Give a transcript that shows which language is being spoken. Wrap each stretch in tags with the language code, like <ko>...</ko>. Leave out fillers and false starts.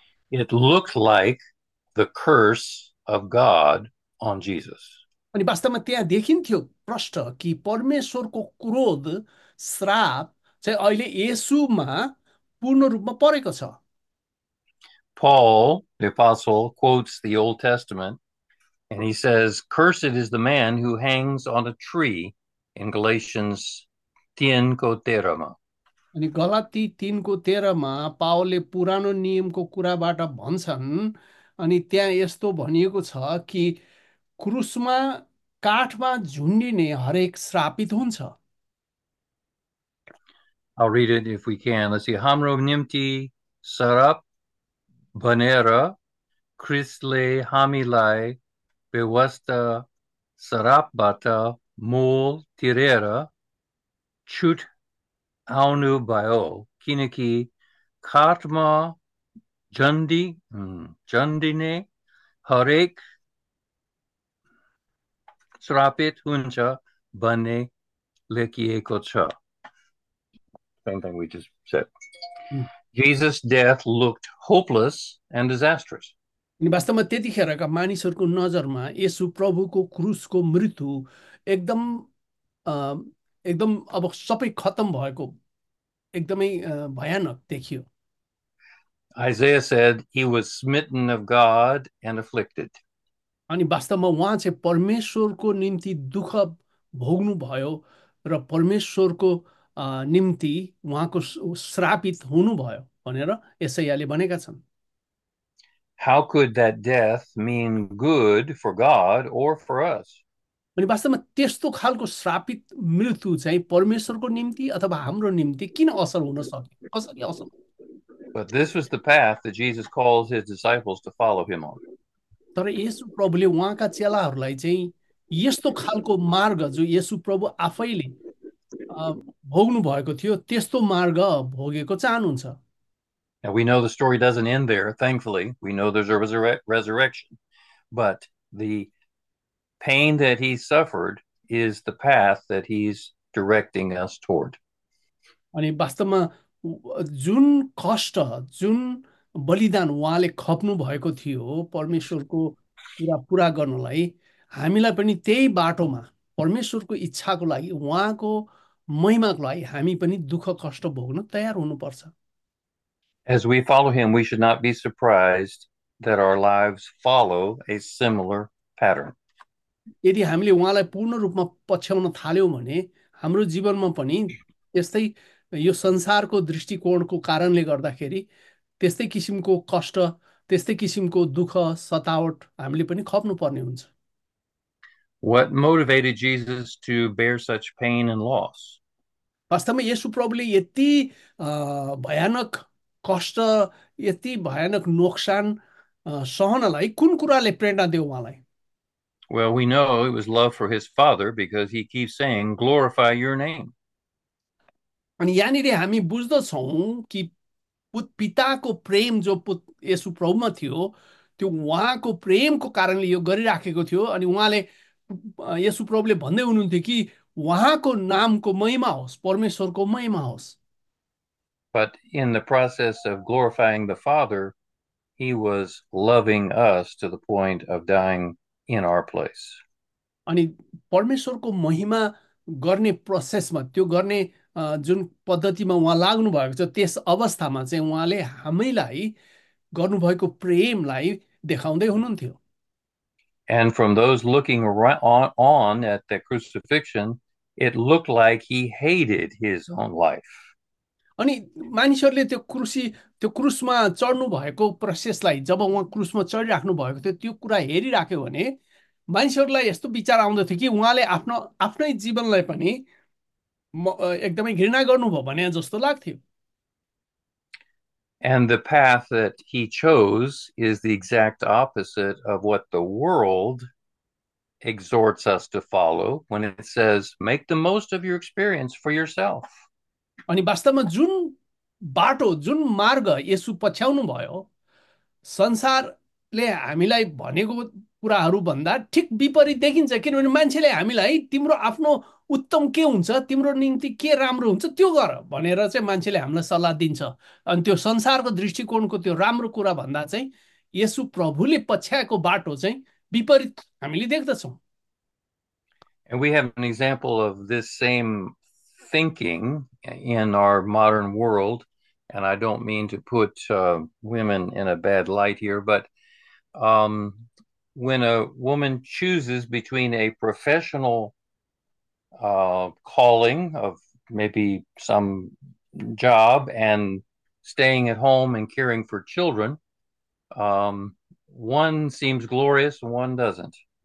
<en>It looked like the curse of God on Jesus.</en> <ne>अनि वास्तवमा त्यहाँ देखिन्थ्यो प्रष्ट कि परमेश्वरको क्रोध, श्राप चाहिँ अहिले येशुमा पूर्ण रूपमा परेको छ.</ne> <en>Paul, the apostle, quotes the Old Testament and he says, cursed is the man who hangs on a tree in Galatians 10</en> <ne>ko terama. अनि गलाती 3:13 पावलले पुरानो नियमको कुराबाट भन्छन्, अनि त्यहाँ यस्तो भनिएको छ कि क्रुसमा काठमा झुन्डिने हरेक श्रापित हुन्छ.</ne> <en>I'll read it if we can. Let's see.</en> <ne>हाम्रो निम्ति सराप भनेर क्रिस्टले हामीलाई व्यवस्था सरापबाट मोल तिरेर छुटाउनु भयो, किनकि काठमा झन्डिने हरेक श्रापित हुन्छ भन्ने लेखिएको छ.</ne> <en>Same thing we just said. Jesus' death looked hopeless and disastrous.</en> <ne>अनि वास्तवमा त्यतिखेरका मानिसहरूको नजरमा येशु प्रभुको क्रुसको मृत्यु एकदम एकदम अब सबै खत्तम भएको एकदमै भयानक देखियो.</ne> <en>Isaiah said he was smitten of God and afflicted.</en> <ne>अनि वास्तवमा उहाँ चाहिँ परमेश्वरको निम्ति दुःख भोग्नुभयो र परमेश्वरको निम्ति उहाँको श्रापित हुनुभयो भनेर यसैयाले भनेका छन्.</ne> <en>How could that death mean good for God or for us?</en> <ne>अनि वास्तवमा त्यस्तो खालको श्रापित मृत्यु चाहिँ परमेश्वरको निम्ति अथवा हाम्रो निम्ति किन असल हुन सक्यो? कसरी असल?</ne> <en>But this was the path that Jesus calls his disciples to follow him on.</en> <ne>तर येशु प्रभुले उहाँका चेलाहरूलाई चाहिँ यस्तो खालको मार्ग जो येशु प्रभु आफैले भोग्नु भएको थियो त्यस्तो मार्ग भोगेको चाहनुहुन्छ।</ne> <en>Now we know the story doesn't end there, thankfully. We know there's a resurrection. But the pain that he suffered is the path that he's directing us toward.</en> <ne>अनि वास्तवमा जुन कष्ट जुन बलिदान उहाँले खप्नु भएको थियो परमेश्वरको कुरा पुरा गर्नलाई हामीलाई पनि त्यही बाटोमा परमेश्वरको इच्छाको लागि उहाँको महिमाको लागि हामी पनि दुःख कष्ट भोग्न तयार हुनुपर्छ।</ne> <en>As we follow him, we should not be surprised that our lives follow a similar pattern.</en> <ne>यदि हामीले उहाँलाई पूर्ण रूपमा पछ्याउन थाल्यौँ भने हाम्रो जीवनमा पनि त्यस्तै यो संसारको दृष्टिकोणको कारणले गर्दाखेरि त्यस्तै किसिमको कष्ट त्यस्तै किसिमको दुःख सतावट हामीले पनि खप्नु पर्ने हुन्छ।</ne> <en>What motivated Jesus to bear such pain and loss?</en> <ne>वास्तवमा येशु प्रभुले यति भयानक कष्ट यति भयानक नोक्सान सहनलाई कुन कुराले प्रेरणा दियो उहाँलाई?</ne> <en>Well, we know it was love for his father because he keeps saying, glorify your name.</en> <ne>अनि यहाँनिर हामी बुझ्दछौँ कि पिताको प्रेम जो येशु प्रभुमा थियो त्यो उहाँको प्रेमको कारणले यो गरिराखेको थियो अनि उहाँले येशु प्रभुले भन्दै हुनुहुन्थ्यो कि उहाँको नामको महिमा होस् परमेश्वरको महिमा होस्।</ne> <en>But in the process of glorifying the Father, he was loving us to the point of dying in our place.</en> <ne>अनि परमेश्वरको महिमा गर्ने प्रोसेसमा त्यो गर्ने जुन पद्धतिमा उहाँ लाग्नु भएको छ त्यस अवस्थामा चाहिँ उहाँले हामीलाई गर्नुभएको प्रेमलाई देखाउँदै हुनुहुन्थ्यो।</ne> <en>And from those looking on at the crucifixion, it looked like he hated his own life.</en> <ne>अनि मानिसहरूले त्यो क्रुसी त्यो क्रुसमा चढ्नु भएको प्रोसेसलाई जब उहाँ क्रुसमा चढिराख्नु भएको थियो त्यो कुरा हेरिराख्यो भने मानिसहरूलाई यस्तो विचार आउँदथ्यो कि उहाँले आफ्नो आफ्नै जीवनलाई पनि एकदमै घृणा गर्नुभयो भने जस्तो लाग्थ्यो।</ne> <en>And the path that he chose is the exact opposite of what the world exhorts us to follow when it says, make the most of your experience for yourself.</en> <ne>अनि वास्तवमा जुन बाटो जुन मार्ग येसु पछ्याउनु भयो संसारले हामीलाई भनेको कुराहरू भन्दा ठिक विपरीत देखिन्छ किनभने मान्छेले हामीलाई तिम्रो आफ्नो उत्तम के हुन्छ तिम्रो निम्ति के राम्रो हुन्छ त्यो गर भनेर चाहिँ मान्छेले हामीलाई सल्लाह दिन्छ अनि त्यो संसारको दृष्टिकोणको त्यो राम्रो कुरा भन्दा चाहिँ येसु प्रभुले पछ्याएको बाटो चाहिँ विपरीत हामीले देख्दछौँ।</ne> <en>And we have an example of this same thinking in our modern world. And I don't mean to put women in a bad light here, but when a woman chooses between a professional calling of maybe some job and staying at home and caring for children, one seems glorious, one doesn't.</en>